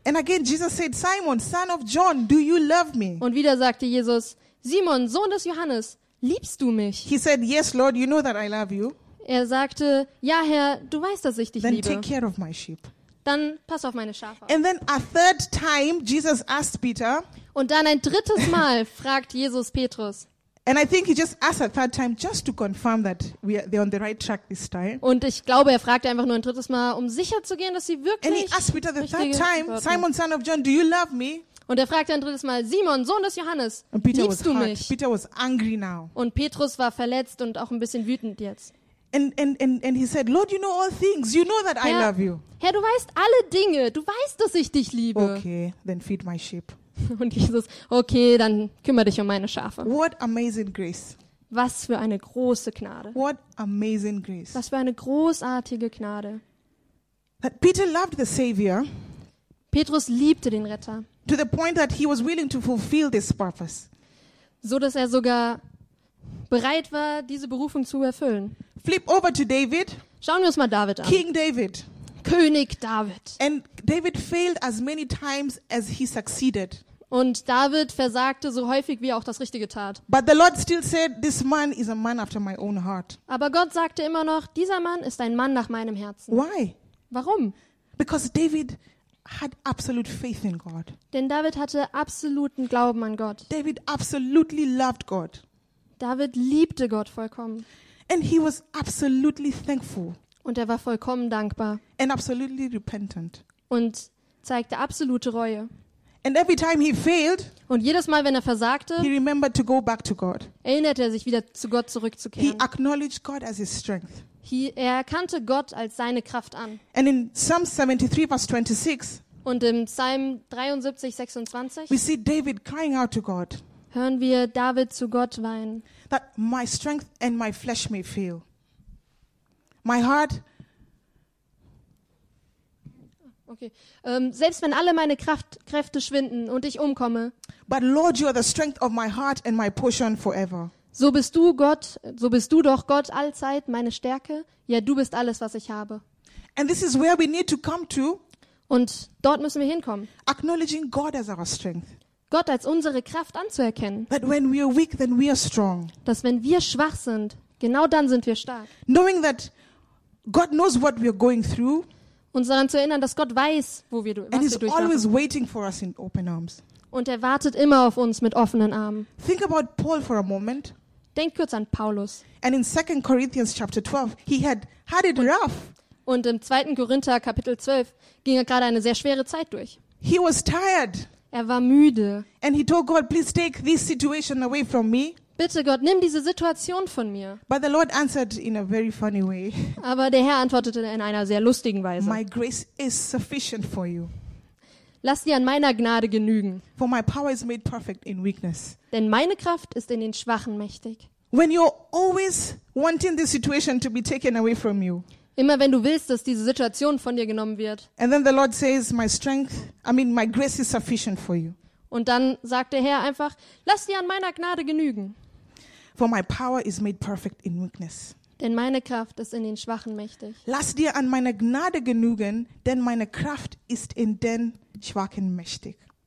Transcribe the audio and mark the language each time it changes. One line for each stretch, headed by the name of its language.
English: And again Jesus said, Simon, son of John, do you love me?
German: Und wieder sagte Jesus, Simon, Sohn des Johannes, liebst du mich?
English: He said, yes, Lord, you know that I love you.
German: Er sagte, ja, Herr, du weißt, dass ich dich
English: then
German: liebe.
English: Then take care of my sheep.
German: Dann pass auf meine Schafe.
English: And then a third time Jesus asked Peter.
German: Und dann ein drittes Mal fragt Jesus Petrus.
English: And I think he just asked a third time just to confirm that we are they're on the right track this time.
German: Und ich glaube, er fragte einfach nur ein drittes Mal, um sicher zu gehen, dass sie wirklich.
English: And he asked Peter the third time, Simon, son of John, do you love me?
German: Und er fragte ein drittes Mal, Simon, Sohn des Johannes,
English: and Peter
German: liebst du
English: hurt.
German: Mich?
English: Peter was angry now.
German: Und Petrus war verletzt und auch ein bisschen wütend jetzt.
English: And he said, Lord, you know all things. You know that
German: Herr,
English: I love you.
German: Herr, du weißt alle Dinge. Du weißt, dass ich dich liebe.
English: Okay, then feed my sheep.
German: Und Jesus, okay, dann kümmere dich um meine Schafe.
English: What amazing grace.
German: Was für eine große Gnade.
English: What amazing grace.
German: Was für eine großartige Gnade.
English: That Peter loved the Savior.
German: Petrus liebte den Retter.
English: To the point that he was willing to fulfill this purpose.
German: So dass er sogar bereit war, diese Berufung zu erfüllen.
English: Flip over to David.
German: Schauen wir uns mal David an.
English: King David.
German: König David.
English: And David failed as many times as he succeeded.
German: Und David versagte so häufig, wie er auch das Richtige tat.
English: But the Lord still said, this man is a man after my own heart.
German: Aber Gott sagte immer noch, dieser Mann ist ein Mann nach meinem Herzen.
English: Why?
German: Warum?
English: Because David had absolute faith in God.
German: Denn David hatte absoluten Glauben an Gott.
English: David absolutely loved God.
German: David liebte Gott vollkommen.
English: And he was absolutely thankful.
German: Und er war vollkommen dankbar.
English: And absolutely repentant.
German: Und zeigte absolute Reue.
English: And every time he failed,
German: und jedes Mal, wenn er versagte,
English: he remembered to go back to God.
German: Erinnerte er sich wieder zu Gott zurückzukehren.
English: He acknowledged God as his strength.
German: Er erkannte Gott als seine Kraft an.
English: And in Psalm 73, verse 26,
German: und im Psalm 73, 26,
English: we see David crying out to God.
German: Hören wir David zu Gott weinen.
English: That my strength and my flesh may fail. My heart. Okay.
German: Selbst wenn alle meine Kräfte schwinden und ich umkomme.
English: But Lord, you are the strength of my heart and my portion forever.
German: So bist du Gott, so bist du doch Gott allzeit meine Stärke. Ja, du bist alles, was ich habe.
English: And this is where we need to come to.
German: Und dort müssen wir hinkommen.
English: Acknowledging God as our strength.
German: Gott als unsere Kraft anzuerkennen.
English: That when we are weak, then we are strong.
German: Dass wenn wir schwach sind, genau dann sind wir stark.
English: Knowing that God knows what we are going through.
German: Uns daran zu erinnern, dass Gott weiß, wo wir durchmachen.
English: And he's always waiting for us in open arms.
German: Und er wartet immer auf uns mit offenen Armen.
English: Think about Paul for a moment.
German: Denk kurz an Paulus.
English: And in 2 Corinthians chapter 12, he had it rough.
German: Und im 2. Korinther Kapitel 12 ging er gerade eine sehr schwere Zeit durch.
English: He was tired.
German: Er war müde.
English: And he told God, please take this situation away from me.
German: Bitte Gott, nimm diese Situation von mir.
English: But the Lord answered in a very funny way.
German: Aber der Herr antwortete in einer sehr lustigen Weise.
English: My grace is sufficient for you.
German: Lass dir an meiner Gnade genügen.
English: For my power is made perfect in weakness.
German: Denn meine Kraft ist in den Schwachen mächtig.
English: When you're always wanting this situation to be taken away from you.
German: Immer wenn du willst, dass diese Situation von dir genommen wird.
English: And then the Lord says, my grace is sufficient for you.
German: Und dann sagt der Herr einfach, lass dir an meiner Gnade genügen.
English: For my power is made perfect in weakness.
German: Denn meine Kraft ist in den Schwachen mächtig. Lass dir an meiner Gnade genügen, denn meine Kraft ist in den Schwachen mächtig.